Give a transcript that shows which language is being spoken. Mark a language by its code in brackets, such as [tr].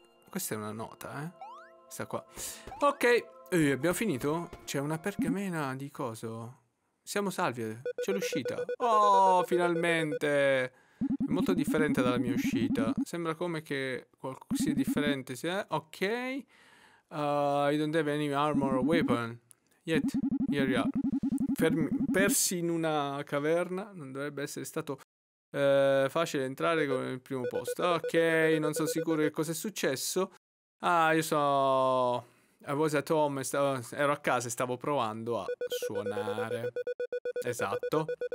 [it] Questa è una nota, eh? Questa qua. Ok, abbiamo finito? C'è una pergamena di coso? Siamo salvi, c'è l'uscita. Oh, finalmente! È molto differente dalla mia uscita. Sembra come che qualcosa sia differente, sì, eh? Ok. [en] I don't have any armor or weapon. Yet, here we are. [it] Persi in una caverna. Non dovrebbe essere stato... facile entrare come il primo posto. Ok, non sono sicuro che cosa è successo. Ah, io so. [en] I was at home, [it] ero a casa e stavo provando a suonare. Esatto.